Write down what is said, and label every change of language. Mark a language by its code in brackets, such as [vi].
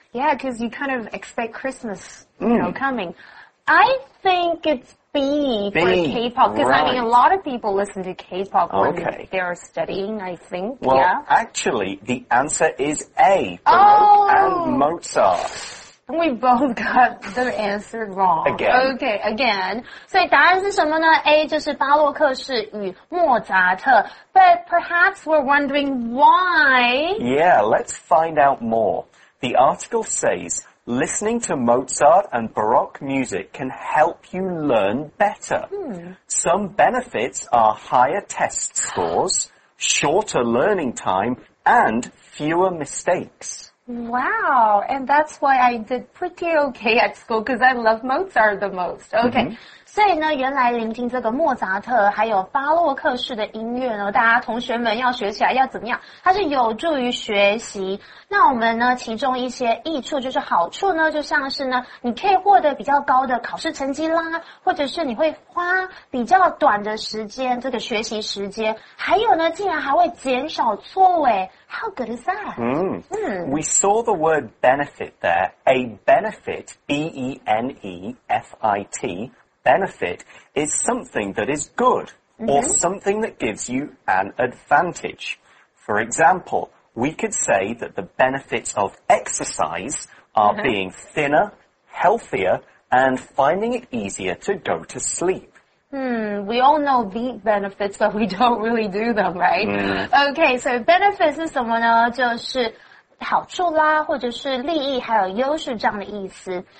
[en] Yeah, because you kind of expect Christmas, you know, coming. I think it's... B for K-pop, because I mean, a lot of people listen to K-pop when they are studying, I think. Well, actually, the answer is A, Baroque and Mozart. We both got the answer wrong. Again. [zh] 所以答案是什么呢 ?A 就是巴洛克式与莫扎特。 [en] But perhaps we're wondering why. Yeah, let's find out more. The article says... Listening to Mozart and Baroque music can help you learn better. Some benefits are higher test scores, shorter learning time, and fewer mistakes. Wow, and that's why I did pretty okay at school, because I love Mozart the most. Okay. [zh] 所以呢，原来聆听这个莫扎特还有巴洛克式的音乐呢，大家同学们要学起来要怎么样？它是有助于学习。那我们呢，其中一些益处就是好处呢，就像是呢，你可以获得比较高的考试成绩啦，或者是你会花比较短的时间这个学习时间，还有呢，竟然还会减少错误。 [en] How good is that? We saw the word benefit there. A benefit, B-E-N-E-F-I-T. Benefit is something that is good, or something that gives you an advantage. For example, we could say that the benefits of exercise are being thinner, healthier, and finding it easier to go to sleep. We all know the benefits, but we don't really do them, right? Okay, so benefits is [zh] 什么呢？就是好处啦，或者是利益，还有优势这样的意思。